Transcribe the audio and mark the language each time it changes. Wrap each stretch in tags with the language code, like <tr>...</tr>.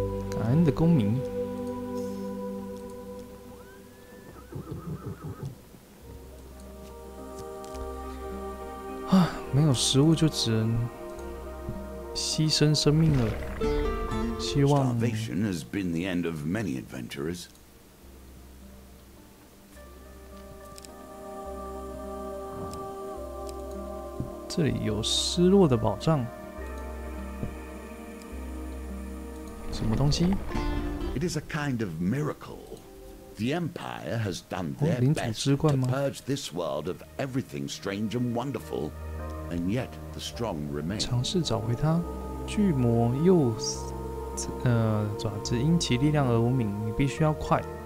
<zh>感恩的公民。啊，没有食物就只能牺牲生命了。希望。</zh> <en>Starvation has been the end of many adventurers.</en> <zh>这里有失落的宝藏，什么东西</zh> <en>？It is a kind of miracle. The Empire has done their best to purge this world of everything strange and wonderful, and yet the strong remain.</en> <zh>尝试找回它，巨魔又爪子因其力量而无名，你必须要快。</zh>